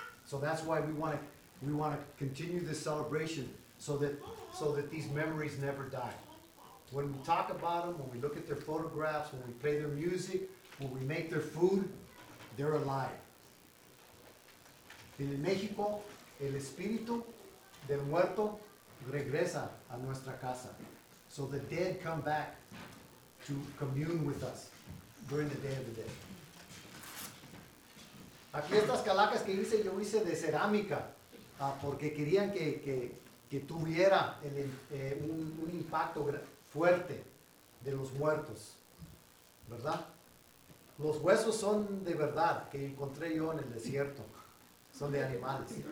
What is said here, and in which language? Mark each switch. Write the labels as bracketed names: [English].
[English] So that's why we want to continue this celebration so that these memories never die. When we talk about them, when we look at their photographs, when we play their music, when we make their food, they're alive. [Spanish] En México, el espíritu del muerto regresa a nuestra casa. [English] So the dead come back to commune with us during the Day of the Dead. [Spanish] Aquí estas calacas que hice, yo hice de cerámica, porque querían que tuviera un impacto fuerte de los muertos, ¿verdad? Los huesos son de verdad, que encontré yo en el desierto. Son de animales.